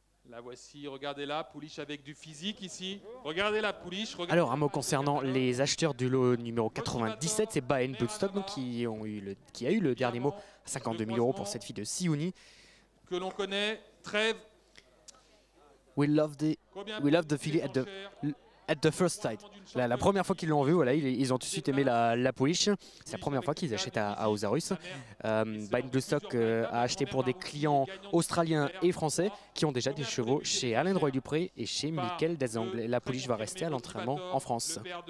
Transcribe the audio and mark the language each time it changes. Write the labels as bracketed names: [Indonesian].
[French] La voici, regardez-la, Pouliche avec du physique ici. Regardez-la, Pouliche. Regardez-la. Alors, un mot concernant les acheteurs du lot numéro 97, c'est Bahen Bloodstock qui a eu le dernier mot, 52 000 euros pour cette fille de Siouni. Que l'on connaît, Trève. [English] We love the filly at the first sight. [French] La première fois qu'ils l'ont vu, voilà, ils ont tout de suite aimé la Pouliche. C'est la première fois qu'ils achètent à Osarus. Bahen Bloodstock a acheté pour des clients australiens et français qui ont déjà des chevaux chez Alain Droy-Dupré et chez Michael Desangles. La Pouliche va rester à l'entraînement en France.